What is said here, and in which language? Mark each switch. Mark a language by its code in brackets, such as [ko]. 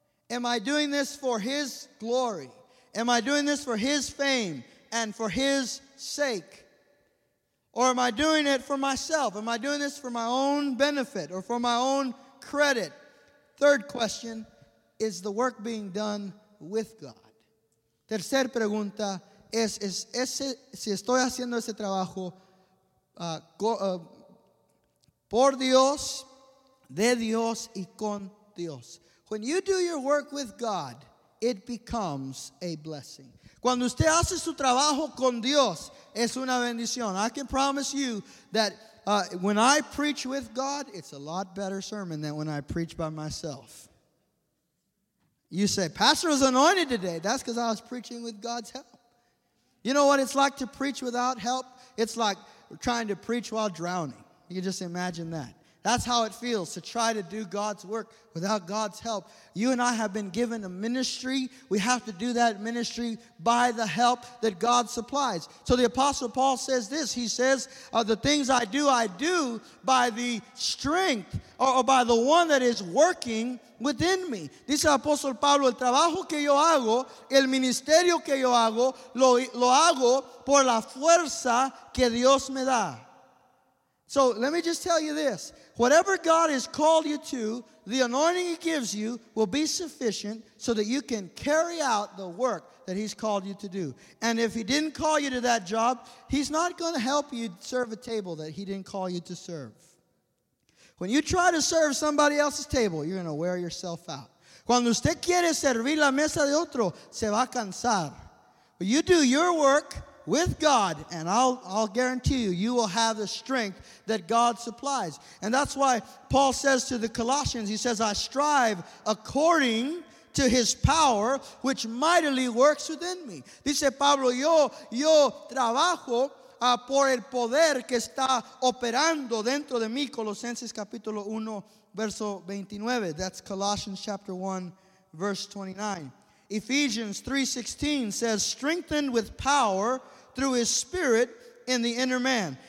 [en] Am I doing this for His glory? Am I doing this for His fame and for His sake? Or am I doing it for myself? Am I doing this for my own benefit or for my own credit? Third question, is the work being done with God? [es] Tercer pregunta, si estoy haciendo ese trabajo por Dios, de Dios y con Dios. [en] When you do your work with God, it becomes a blessing. [es] Cuando usted hace su trabajo con Dios, es una bendición. [en] I can promise you that when I preach with God, it's a lot better sermon than when I preach by myself. You say, Pastor was anointed today. That's because I was preaching with God's help. You know what it's like to preach without help? It's like trying to preach while drowning. You can just imagine that. That's how it feels to try to do God's work without God's help. You and I have been given a ministry. We have to do that ministry by the help that God supplies. So the Apostle Paul says this. He says, the things I do by the strength or by the one that is working within me. [es] Dice el Apóstol Pablo, el trabajo que yo hago, el ministerio que yo hago, lo hago por la fuerza que Dios me da. [en] So let me just tell you this. Whatever God has called you to, the anointing He gives you will be sufficient so that you can carry out the work that He's called you to do. And if He didn't call you to that job, He's not going to help you serve a table that He didn't call you to serve. When you try to serve somebody else's table, you're going to wear yourself out. [es] Cuando usted quiere servir la mesa de otro, se va a cansar. [en] But you do your work with God, and I'll guarantee you, you will have the strength that God supplies. And that's why Paul says to the Colossians, he says, I strive according to His power, which mightily works within me. [es] Dice Pablo, yo trabajo por el poder que está operando dentro de mí, Colosenses capítulo 1, verso 29. [en] That's Colossians chapter 1, verse 29. Ephesians 3:16 says, strengthened with power through his spirit in the inner man.